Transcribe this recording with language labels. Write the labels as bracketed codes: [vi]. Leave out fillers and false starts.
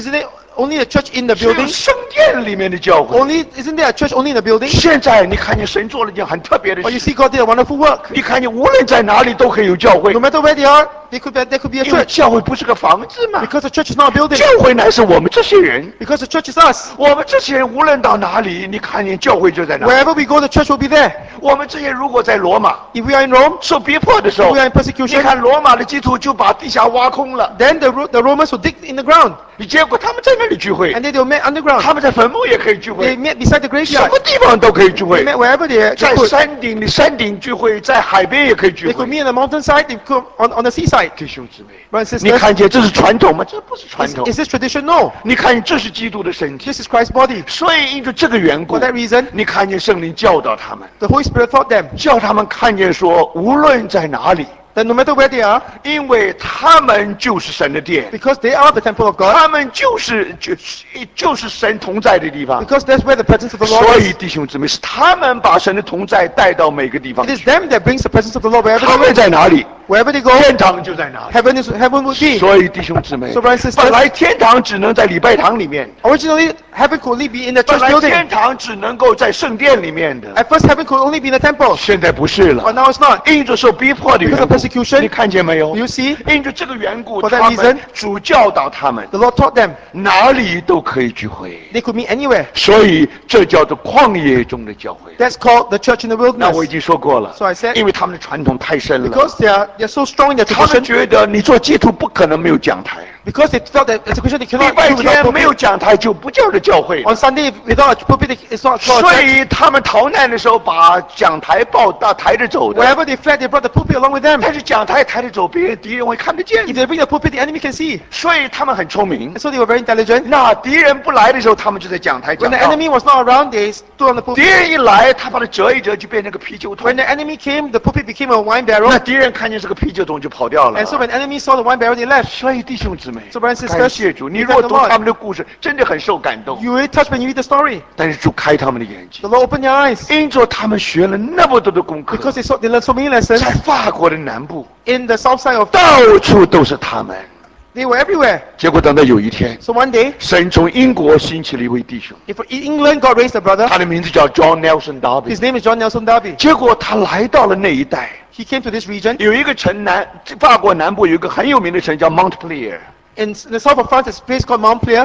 [en] Isn't it only a church in the building? [zh] 只有圣殿里面的教会。 [en] Only isn't there a church only in the building? [zh] 现在你看见神做了一件很特别的事。 [en] But you see God did a wonderful work. [zh] 你看见无论在哪里都可以有教会。 [en] No matter where they are. There could be a church. [zh] 教会不是个房子吗？ [en] Because the church is not a building. [zh] 教会乃是我们这些人。 [en] Because the church is us. [zh] 我们这些人无论到哪里，你看见教会就在哪里。 [en] Wherever we go, the church will be there. [zh] 我们这些如果在罗马， [en] if we are in Rome, [zh] 受逼迫的时候， [en] if we are in persecution, [zh] 你看罗马的基督徒就把地下挖空了。 [en] Then the Romans will dig in the ground. [zh] 结果他们在那里聚会。 [en] And they do meet underground. [zh] 他们在坟墓也可以聚会。 [en] They meet beside the graveyard. [zh] 什么地方都可以聚会。 [en] They meet wherever they could. [zh] 在山顶聚会，在海边也可以聚会。 [en] They could meet on the mountainside. They could on the seaside. [zh] 弟兄姊妹。 [en] Sisters, [zh] 你看见这是传统吗？这不是传统。 [en] Is this tradition? No. [zh] 你看见这是基督的身体。 [en] This is Christ's body. [zh] 所以因着这个缘故。 [en] For that reason. [zh] 你看见圣灵教导他们。 [en] The Holy Spirit taught them. [zh] 叫他们看见说，无论在哪里。 [en] That no matter where they are, [zh] 因为他们就是神的殿 [en] ，because they are the temple of God， [zh] 他们就是神同在的地方 [en] ，because that's where the presence of the Lord is。 [zh] 所以弟兄姊妹，是他们把神的同在带到每个地方。 [en] It is them that brings the presence of the Lord wherever they go。 [zh] 他们在哪里 [en] ？Wherever they go， [zh] 天堂就在哪里 [en] ？Heaven is heaven will be。 [zh] 所以弟兄姊妹 [en] ，So brothers and sisters， [zh] 本来天堂只能在礼拜堂里面。 [en] Originally, heaven could only be in the church building。 [zh] 本来天堂只能够在圣殿里面的。 [en] At first, heaven could only be in the temple。 [zh] 现在不是了。 [en] But now it's not。 [zh] 因着受逼迫的缘故。 [en] Persecution, [zh] 你看见没有 [en] ？You see, [zh] 因着这个缘故 [en] ，for that reason, [zh] 主教导他们 [en] ，the Lord taught them, [zh] 哪里都可以聚会 [en] ，they could meet anywhere. [zh] 所以这叫做旷野中的教会 [en] ，that's called the church in the wilderness. [zh] 那我已经说过了 [en] ，so I said, [zh] 因为他们的传统太深了 [en] ，because they're so strong in their tradition. [zh] 他们觉得你做基督不可能没有讲台 [en] ，because they thought that as a Christian, they cannot do without pulpit. [zh] 礼拜天没有讲台就不叫做教会 [en] ，on Sunday without pulpit, it's not called. [zh] 所以他们逃难的时候把讲台抱到抬着走的 [en] ，wherever they fled, they brought the pulpit along with them. [zh] 但是讲台抬着走，别人敌人会看得见。 [en] If they bring the pulpit, the enemy can see. [zh] 所以他们很聪明。 [en] So they were very intelligent. [zh] 那敌人不来的时候，他们就在讲台讲道。 [en] When the enemy was not around, they stood on the pulpit. [zh] 敌人一来，他把它折一折，就变成个啤酒桶。 [en] When the enemy came, the pulpit became a wine barrel. [zh] 那敌人看见是个啤酒桶，就跑掉了。 [en] And so when the enemy saw the wine barrel, they left. [zh] 所以弟兄姊妹， [en] so brothers and sisters, [zh] 感谢主。你如果读他们的故事，真的很受感动。 [en] You will touch when you read the story. [zh] 但是主开他们的眼睛。 [en] The Lord opened their eyes. [zh] 因着他们学了那么多的功课。 [en] Because they learned so many lessons. [zh] 在法国的南。 [en] In the south side of, [zh] 到处都是他们。 [en] They were everywhere. [zh] 结果等到有一天 [en] ，So one day, [zh] 神从英国兴起了一位弟兄。 [en] If England God raised a brother, [zh] 他的名字叫 John Nelson Darby. [en] His name is John Nelson Darby. [zh] 结果他来到了那一带。 [en] He came to this region. [zh] 有一个城南，法国南部有一个很有名的城叫 Montpellier. [en] In the south of France, a place called Montpellier.